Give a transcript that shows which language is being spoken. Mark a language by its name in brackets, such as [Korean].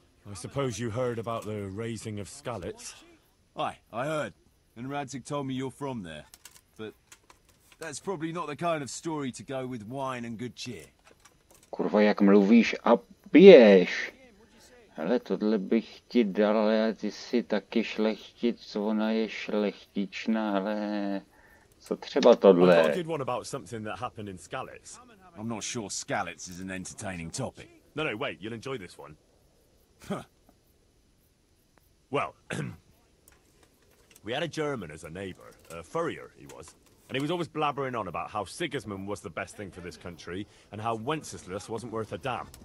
[English] I suppose you heard about the raising of Scalets. Aye, I heard. And Radzik told me you're from there. But that's probably not the kind of story to go with wine and good cheer. [Czech] Kurva, jak mluvíš a piješ. Hele, tohle bych ti dal, ale ty jsi taky šlechtic, ona je šlechtičná, ale... Co třeba tohle? [English] I did one about something that happened in Scalets. I'm not sure Scalets is an entertaining topic. No, no, wait, you'll enjoy this one. Well, we had a German as a neighbor, a furrier he was, and he was always blabbering on about how Sigismund was the best thing for this country and how Wenceslas wasn't worth a damn.